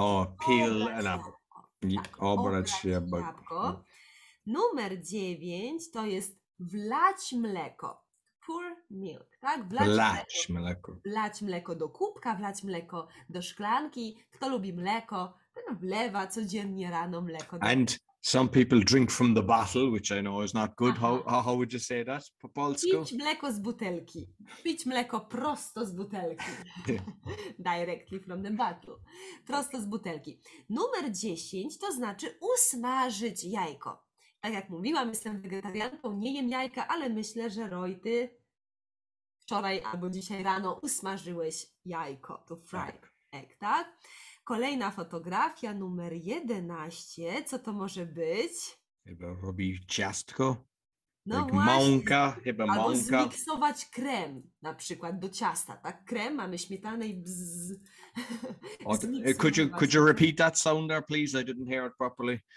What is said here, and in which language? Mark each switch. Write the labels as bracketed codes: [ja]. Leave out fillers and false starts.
[en] O, peel and apple. [pl] Obrać jabłko. Numer 9 to jest wlać mleko. [en] Pour milk, [pl] tak? Wlać mleko do kubka, wlać mleko do szklanki. Kto lubi mleko, ten wlewa codziennie rano mleko. [en] And some people drink from the bottle, which I know is not good. How would you say that [pl] po polsku? Pić mleko z butelki. Pić mleko prosto z butelki. [en] Directly from the bottle. [pl] Prosto z butelki. Numer 10 to znaczy usmażyć jajko. Tak jak mówiłam, jestem wegetarianką, nie jem jajka, ale myślę, że Roy, ty wczoraj albo dzisiaj rano usmażyłeś jajko, to [en] fried egg, [pl] tak? Kolejna fotografia, numer 11, co to może być? Chyba robi ciastko, no jak mąka, chyba albo mąka. Albo zmiksować krem na przykład do ciasta, tak? Krem, mamy śmietanę i bzzz. [en] could you repeat that sound there, please? I didn't hear it properly.